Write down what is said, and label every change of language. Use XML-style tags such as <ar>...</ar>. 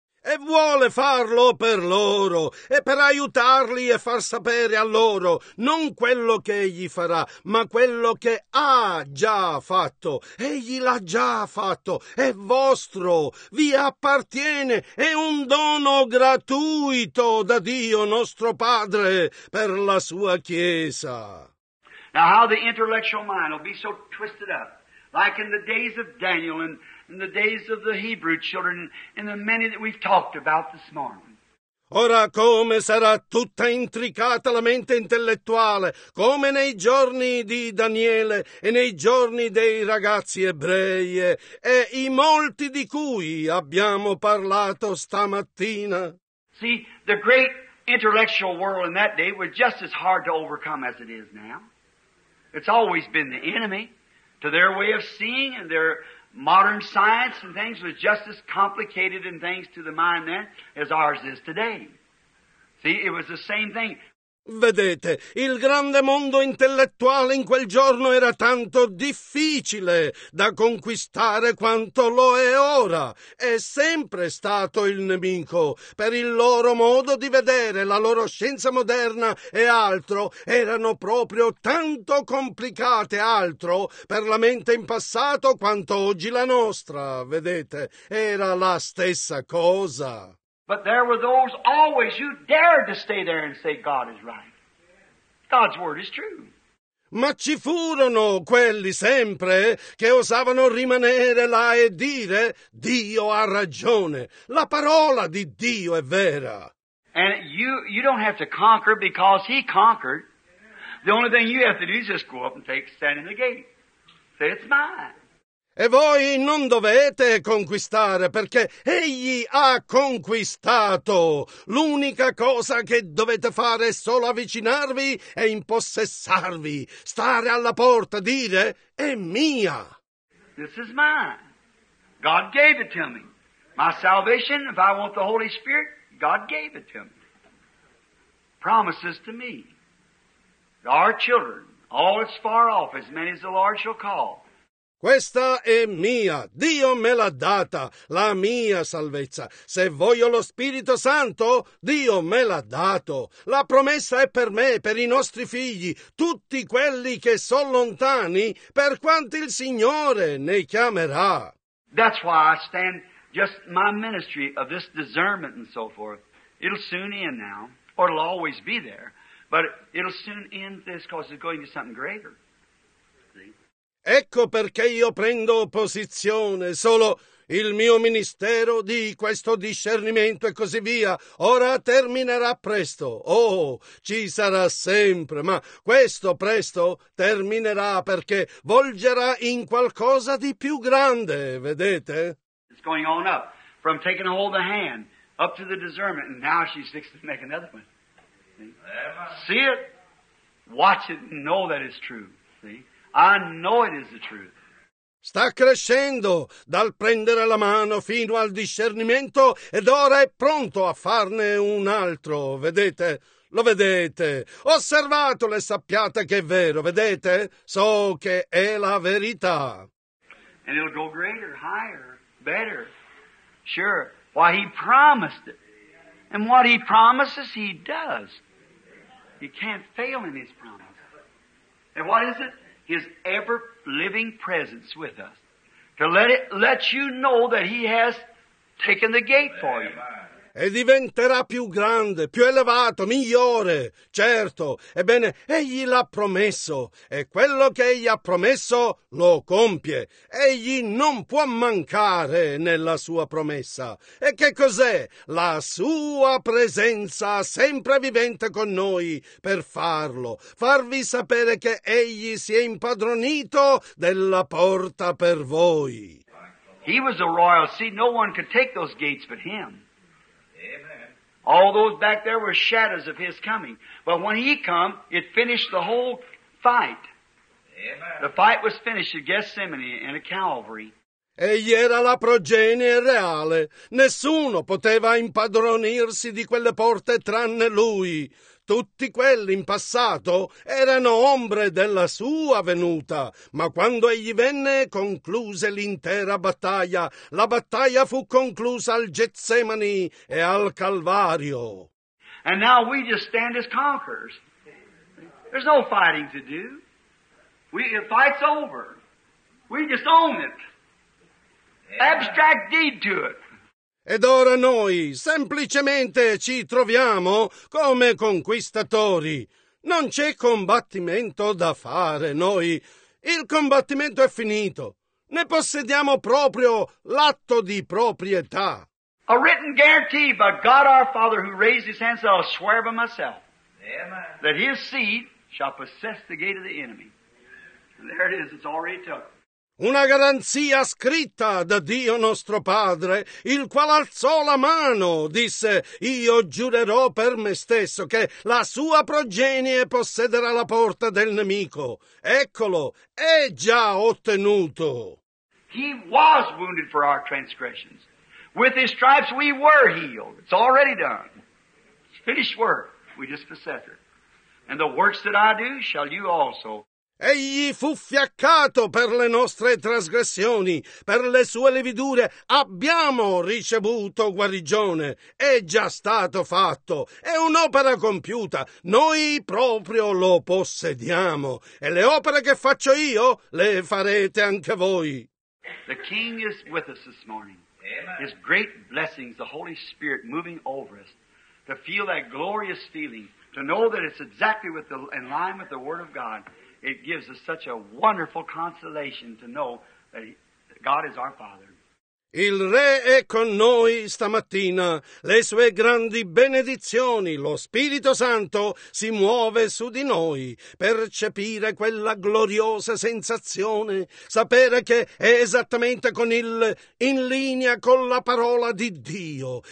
<it>E vuole farlo per loro, e per aiutarli e far sapere a loro non quello che egli farà, ma quello che ha già fatto. Egli l'ha già fatto, è vostro, vi appartiene, è un dono gratuito da Dio nostro Padre per la sua Chiesa.</it> <en>Now how the intellectual mind will be so twisted up. Like in the days of Daniel and in the days of the Hebrew children and the many that we've talked about this morning.</en> <it>Ora come sarà tutta intricata la mente intellettuale, come nei giorni di Daniele e nei giorni dei ragazzi ebrei e i molti di cui abbiamo parlato stamattina.</it> <en>See, the great intellectual world in that day was just as hard to overcome as it is now. It's always been the enemy. To their way of seeing and their modern science and things was just as complicated and things to the mind then as ours is today. See, it was the same thing.</en> <it>Vedete, il grande mondo intellettuale in quel giorno era tanto difficile da conquistare quanto lo è ora. È sempre stato il nemico. Per il loro modo di vedere, la loro scienza moderna e altro erano proprio tanto complicate altro per la mente in passato quanto oggi la nostra. Vedete, era la stessa cosa.</it> <en>But there were those always who dared to stay there and say God is right. God's word is true.</en> <it>Ma ci furono quelli sempre che osavano rimanere là e dire Dio ha ragione. La parola di Dio è vera.</it> <en>And you don't have to conquer because he conquered. The only thing you have to do is just go up and take stand in the gate. Say it's mine.</en> <it>E voi non dovete conquistare, perché egli ha conquistato. L'unica cosa che dovete fare è solo avvicinarvi e impossessarvi. Stare alla porta, dire, è mia.</it> <en>This is mine. God gave it to me. My salvation, if I want the Holy Spirit, God gave it to me. Promises to me. Our children, all as far off, as many as the Lord shall call.</en> <it>Questa è mia, Dio me l'ha data, la mia salvezza. Se voglio lo Spirito Santo, Dio me l'ha dato. La promessa è per me, per i nostri figli, tutti quelli che sono lontani, per quanti il Signore ne chiamerà.</it> <en>That's why I stand just my ministry of this discernment and so forth. It'll soon end now, or it'll always be there, but it'll soon end this because it's going to something greater.</en> <it>Ecco perché io prendo posizione, solo il mio ministero di questo discernimento e così via, ora terminerà presto, oh, ci sarà sempre, ma questo presto terminerà perché volgerà in qualcosa di più grande, vedete?</it> <en>It's going on up, from taking a hold of the hand, up to the discernment, and now she sticks to make another one. See it? Watch it and know that it's true. See? I know it is the truth.</en> <it>Sta crescendo dal prendere la mano fino al discernimento ed ora è pronto a farne un altro. Vedete? Lo vedete? Osservatelo e sappiate che è vero. Vedete? So che è la verità.</it> <en>And it'll go greater, higher, better. Sure. Why, he promised it. And what he promises, he does. He can't fail in his promise. And what is it? His ever-living presence with us. To let you know that he has taken the gate for you.</en> <it>E diventerà più grande, più elevato, migliore. Certo. Ebbene, egli l'ha promesso. E quello che egli ha promesso lo compie. Egli non può mancare nella sua promessa. E che cos'è? La sua presenza sempre vivente con noi per farlo. Farvi sapere che egli si è impadronito della porta per voi.</it> <en>He was a royal. See, no one could take those gates but him. All those back there were shadows of his coming. But when he come, it finished the whole fight. Amen. The fight was finished at Gethsemane and at Calvary.</en> <it>Egli era la progenie reale. Nessuno poteva impadronirsi di quelle porte tranne lui. Tutti quelli in passato erano ombre della sua venuta, ma quando egli venne concluse l'intera battaglia. La battaglia fu conclusa al Getsemani e al Calvario.</it> <en>And now we just stand as conquerors. There's no fighting to do. The fight's over. We just own it. Abstract deed to it.</en> <it>Ed ora noi semplicemente ci troviamo come conquistatori. Non c'è combattimento da fare, noi. Il combattimento è finito. Ne possediamo proprio l'atto di proprietà.</it> <en>A written guarantee by God our Father who raised his hands, I'll swear by myself. Amen. That his seed shall possess the gate of the enemy. And there it is, it's already took.</en> <it>Una garanzia scritta da Dio nostro Padre, il quale alzò la mano, disse, io giurerò per me stesso che la sua progenie possederà la porta del nemico. Eccolo, è già ottenuto.</it> <en>He was wounded for our transgressions. With his stripes we were healed. It's already done. It's finished work. We just possess it. And the works that I do shall you also.</en> <it>Egli fu fiaccato per le nostre trasgressioni, per le sue lividure. Abbiamo ricevuto guarigione. È già stato fatto. È un'opera compiuta. Noi proprio lo possediamo. E le opere che faccio io le farete anche voi.</it> <en>The King is with us this morning. Amen. His great blessings, the Holy Spirit moving over us, to feel that glorious feeling, to know that it's exactly in line with the Word of God. It gives us such a wonderful consolation to know that God is our Father.</en> <it>Il Re è con noi stamattina. Le sue grandi benedizioni, lo Spirito Santo, si muove su di noi. Percepire quella gloriosa sensazione, sapere che è esattamente in linea con la parola di Dio.</it>